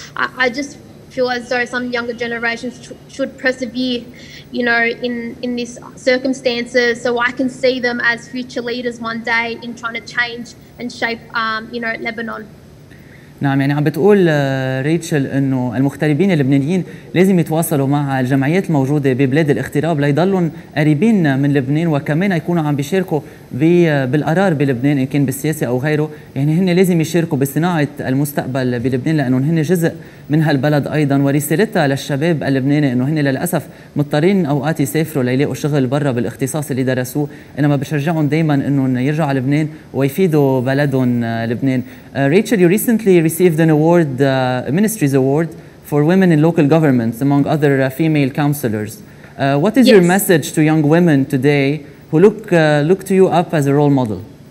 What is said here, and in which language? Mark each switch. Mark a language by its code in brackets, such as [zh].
[en] I just feel as though some younger generations should persevere, you know, in these circumstances, so I can see them as future leaders one day in trying to change and shape, Lebanon. [ar] نعم، يعني عم بتقول ريتشل انه المغتربين اللبنانيين لازم يتواصلوا مع الجمعيات الموجوده ببلاد الاغتراب ليضلوا قريبين من لبنان، وكمان يكونوا عم بيشاركوا بالقرار بلبنان ان كان بالسياسه او غيره، يعني هن لازم يشاركوا بصناعه المستقبل بلبنان لانه هن جزء من هالبلد ايضا. ورسالتها للشباب اللبناني انه هن للاسف مضطرين اوقات يسافروا ليلاقوا شغل برا بالاختصاص اللي درسوه، انما بشجعهم دائما انهم يرجعوا على لبنان ويفيدوا بلدهم لبنان. [en] Rachel, you recently received an award, Ministry's award for women in local governments, among other female councillors. What is your message to young women today who look to you up as a role model?